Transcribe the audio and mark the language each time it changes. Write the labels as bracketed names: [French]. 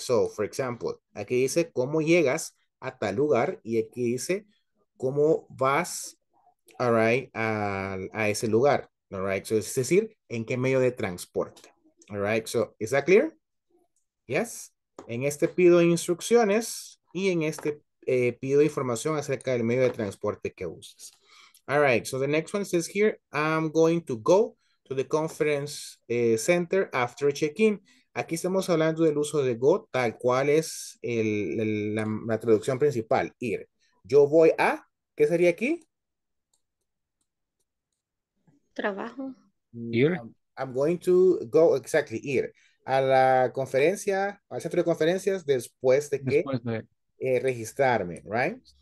[English] So, for example, [Spanish] aquí dice cómo llegas a tal lugar y aquí dice cómo vas all right, a ese lugar, all right, so es decir, en qué medio de transporte, all right, [English] so is that clear? [Spanish] Yes, en este pido instrucciones y en este pido información acerca del medio de transporte que usas. [English] All right, so the next one says here, I'm going to go to the conference center after check-in. [Spanish] Aquí estamos hablando del uso de go, tal cual es la traducción principal, ir. Yo voy a, ¿qué sería aquí? Trabajo. [English] I'm going to go, exactly, [Spanish] ir a la conferencia, al centro de conferencias después de registrarme, [English] right?